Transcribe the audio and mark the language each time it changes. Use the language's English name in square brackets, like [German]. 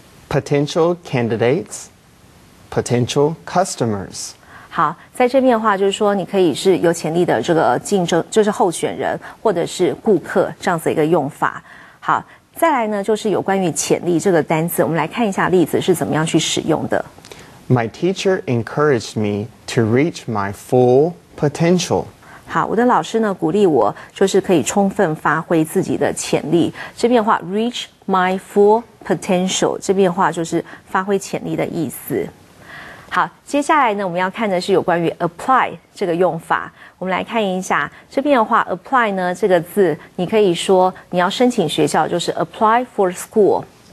[English] Potential candidates, potential customers。 [Chinese] 好，在这边的话就是说你可以是有潜力的这个竞争，就是候选人或者是顾客这样子的一个用法。好，再来呢，就是有关于潜力这个单词，我们来看一下例子是怎么样去使用的。 [English] My teacher encouraged me to reach my full potential. [Chinese] 好，我的老师呢鼓励我，就是可以充分发挥自己的潜力。这边的话 ， [English] reach my full potential， [Chinese] 这边的话就是发挥潜力的意思。好，接下来呢，我们要看的是有关于 apply 这个用法。我们来看一下这边的话 ，apply 呢这个字，你可以说你要申请学校，就是 [English] apply for school。